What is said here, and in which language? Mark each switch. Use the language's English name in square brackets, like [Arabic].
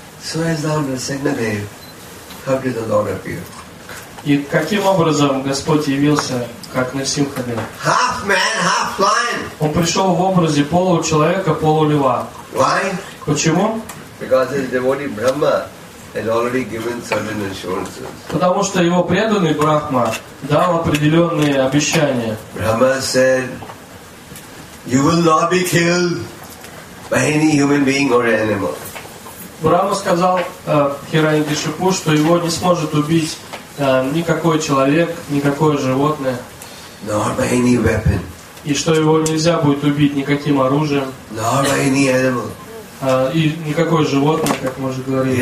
[English] So is Lord Narasimhadeva. How did the Lord appear? [Russian] И каким образом Господь явился, как Нарсимхадева? [English] Half man, half lion. [Russian] Он пришел в образе получеловека, полулева. [English] Why? [Russian] Почему? [English] Because his devotee Brahma had already given certain assurances. [Russian] Потому что его преданный Брахма дал определенные обещания. [English] Brahma said, "You will not be killed by any human being or animal." [Russian] Брахма сказал Хирани Кашипу, что его не сможет убить никакой человек, никакое животное. [English] Nor by any weapon. [Russian] И что его нельзя будет убить никаким оружием. [English] Nor by any animal. [Russian] И никакое животное, как мы уже говорили.